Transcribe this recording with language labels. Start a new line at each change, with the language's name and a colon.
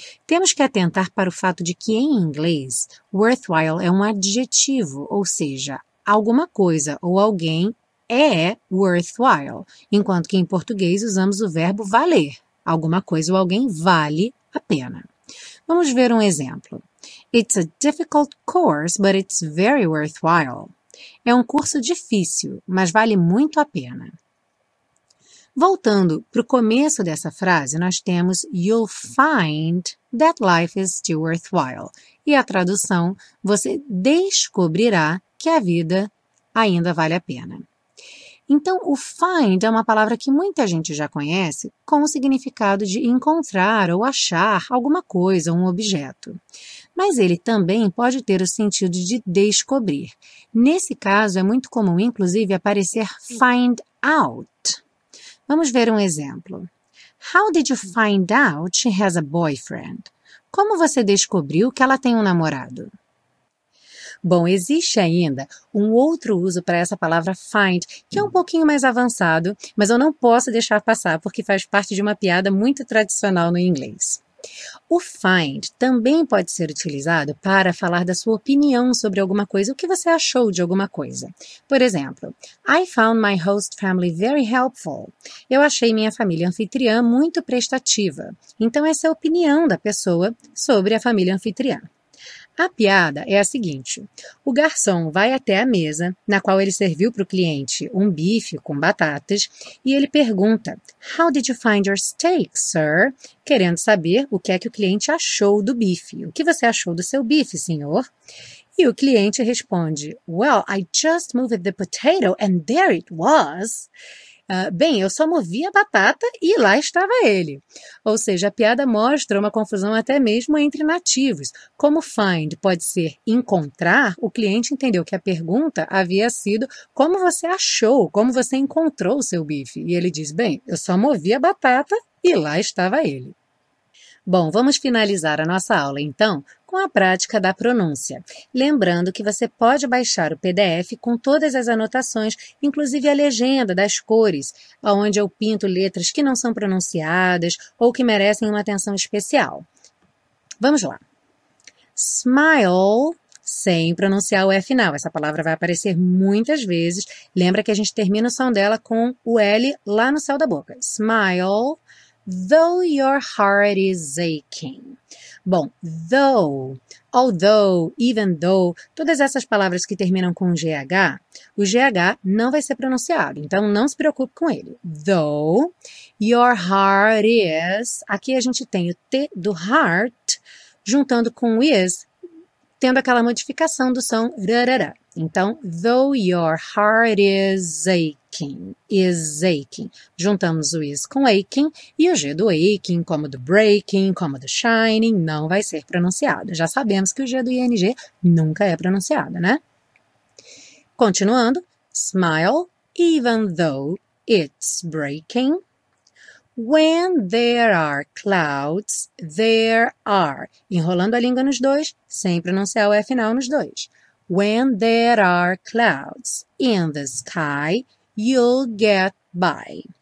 Portuguese: Temos que atentar para o fato de que em inglês, worthwhile é um adjetivo, ou seja, alguma coisa ou alguém é worthwhile, enquanto que em português usamos o verbo valer. Alguma coisa ou alguém vale a pena. Vamos ver um exemplo.
English: It's a difficult course, but it's very worthwhile.
Portuguese: É um curso difícil, mas vale muito a pena. Voltando para o começo dessa frase, nós temos
English: "You'll find that life is still worthwhile".
Portuguese: E a tradução, você descobrirá que a vida ainda vale a pena. Então, o find é uma palavra que muita gente já conhece com o significado de encontrar ou achar alguma coisa, um objeto. Mas ele também pode ter o sentido de descobrir. Nesse caso, é muito comum, inclusive, aparecer find out. Vamos ver um exemplo.
English: How did you find out she has a boyfriend?
Portuguese: Como você descobriu que ela tem um namorado? Bom, existe ainda um outro uso para essa palavra find, que é um pouquinho mais avançado, mas eu não posso deixar passar porque faz parte de uma piada muito tradicional no inglês. O find também pode ser utilizado para falar da sua opinião sobre alguma coisa, o que você achou de alguma coisa. Por exemplo,
English: I found my host family very helpful.
Portuguese: Eu achei minha família anfitriã muito prestativa. Então, essa é a opinião da pessoa sobre a família anfitriã. A piada é a seguinte: o garçom vai até a mesa na qual ele serviu para o cliente um bife com batatas e ele pergunta:
English: How did you find your steak, sir?
Portuguese: Querendo saber o que é que o cliente achou do bife. O que você achou do seu bife, senhor? E o cliente responde:
English: Well, I just moved the potato and there it was.
Portuguese: Bem, eu só movi a batata e lá estava ele. Ou seja, a piada mostra uma confusão até mesmo entre nativos. Como find pode ser encontrar, o cliente entendeu que a pergunta havia sido como você achou, como você encontrou o seu bife. E ele diz: Bem, eu só movi a batata e lá estava ele. Bom, vamos finalizar a nossa aula então com a prática da pronúncia. Lembrando que você pode baixar o PDF com todas as anotações, inclusive a legenda das cores, onde eu pinto letras que não são pronunciadas ou que merecem uma atenção especial. Vamos lá. Smile, sem pronunciar o E final. Essa palavra vai aparecer muitas vezes. Lembra que a gente termina o som dela com o L lá no céu da boca.
English: Smile. Though your heart is aching.
Portuguese: Bom, though, although, even though, todas essas palavras que terminam com GH, o GH não vai ser pronunciado, então não se preocupe com ele.
English: Though your heart is,
Portuguese: aqui a gente tem o T do heart, juntando com o is, tendo aquela modificação do som rarara. Então,
English: though your heart is aching.
Portuguese: Juntamos o is com aching e o g do aching, como do breaking, como do shining, não vai ser pronunciado. Já sabemos que o g do ing nunca é pronunciado, né? Continuando,
English: smile, even though it's breaking. When there are clouds, there are.
Portuguese: Enrolando a língua nos dois, sem pronunciar o e final nos dois.
English: When there are clouds in the sky, you'll get by.